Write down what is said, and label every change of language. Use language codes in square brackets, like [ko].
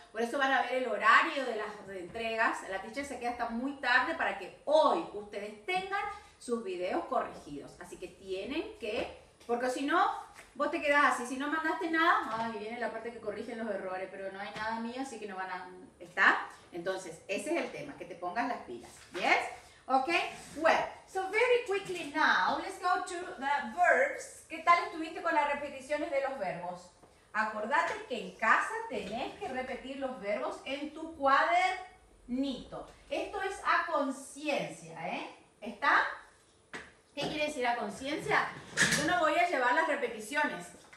[es] Por eso van a ver el horario de las entregas. La teacher se queda hasta muy tarde para que hoy ustedes tengan sus videos corregidos. Así que tienen que, porque si no, vos te quedás así. Si no mandaste nada, ay, viene la parte que corrigen los errores, pero no hay nada mío, así que no van a, ¿está? Entonces, ese es el tema, que te pongas las pilas. [en] ¿Yes? Ok. Well, so very quickly now, let's go to the verbs. [es] ¿Qué tal estuviste con las repeticiones de los verbos? Acordate que en casa tenés que repetir los verbos en tu cuadernito. Esto es a conciencia, ¿eh? ¿Está? ¿Qué quiere decir a conciencia? Yo no voy a llevar las repeticiones.